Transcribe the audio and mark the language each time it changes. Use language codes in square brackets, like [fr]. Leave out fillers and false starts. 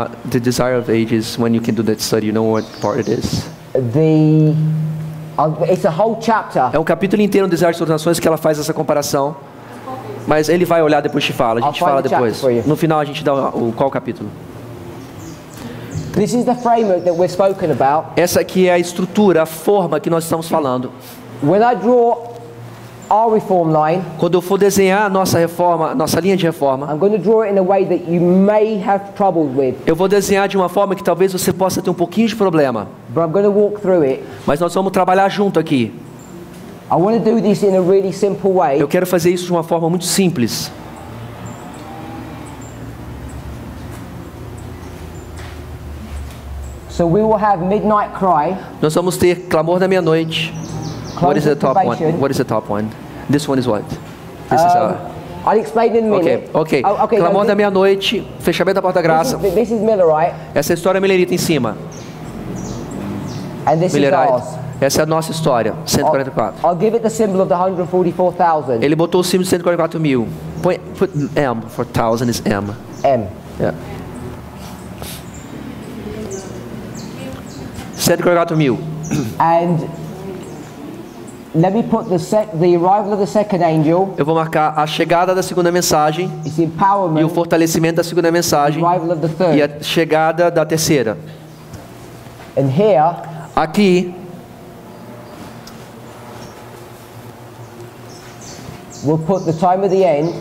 [en] The Desire of Ages, when you can do that study, you know what part it is? It's a whole chapter. [pt] É um capítulo inteiro do Desire das Nações que ela faz essa comparação. Mas ele vai olhar depois e fala, a gente fala depois. No final a gente dá qual capítulo? [en] This is the framework that we're spoken about. [pt] Essa aqui é a estrutura, a forma que nós estamos falando. [en] When I draw our reform line, [pt] quando eu for desenhar a nossa reforma, nossa linha de reforma, [en] I'm going to draw it in a way that you may have trouble with. [pt] Eu vou desenhar de uma forma que talvez você possa ter um pouquinho de problema. [en] But I'm going to walk through it. [pt] Mas nós vamos trabalhar junto aqui. [en] I want to do this in a really simple way. [pt] Eu quero fazer isso de uma forma muito simples. [en] So we will have midnight cry. [pt] Nós vamos ter clamor da meia-noite. [en] Close what is the top one? This one is what? This is our I'll explain in a minute. Okay. Oh, okay. [pt] Clamor da meia-noite, fechamento da porta da graça. [en] This is Miller, right? [pt] Essa é a história Millerita em cima. [en] And this Millerite. Is ours. [pt] Essa é a nossa história, 144. [en] I'll give it the symbol of the 144,000. [pt] Ele botou o símbolo de 144,000. [en] Put M for 1,000 is M. M. Yeah. 144,000. And let me put the arrival of the second angel. [pt] Eu vou marcar a chegada da segunda mensagem. [en] It's empowerment. [pt] E o fortalecimento da segunda mensagem. [en] Arrival of the third. [pt] E a chegada da terceira. [en] And here. [pt] Aqui. [en] We'll put the time of the end.